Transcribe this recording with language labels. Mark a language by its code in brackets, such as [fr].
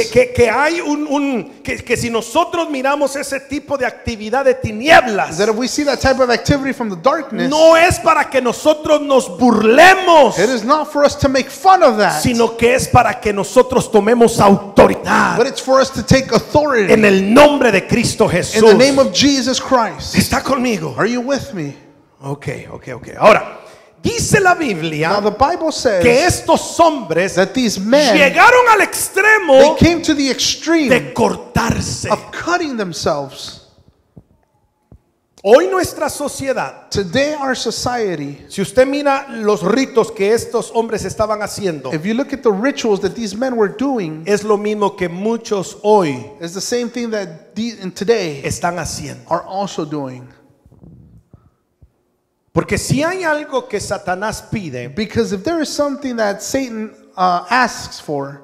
[es] que hay un que si nosotros miramos ese tipo de actividad de tinieblas, [en] that if we see that type of activity from the darkness, [es] no es para que nosotros nos burlemos, [en] it is not for us to make fun of that, [es] sino que es para que nosotros tomemos autoridad. [en] But it's for us to take authority. [es] En el nombre de Cristo Jesús. [en] In the name of Jesus Christ. [es] ¿Está conmigo? [en] Are you with me? [es] Okay. Ahora, dice la Biblia, [en] now the Bible says, [es] que estos hombres, [en] that these men, [es] llegaron al extremo, [en] they came to the extreme, [es] de cortarse, [en] of cutting themselves. [es] Hoy nuestra sociedad, [en] today our society, [es] si usted mira los ritos que estos hombres estaban haciendo, [en] if you look at the rituals that these men were doing, [es] es lo mismo que muchos hoy, [en] is the same thing that these, and today, [es] están haciendo, [en] are also doing. [es] Porque si hay algo que Satanás pide, [en] because if there is something that Satan asks for,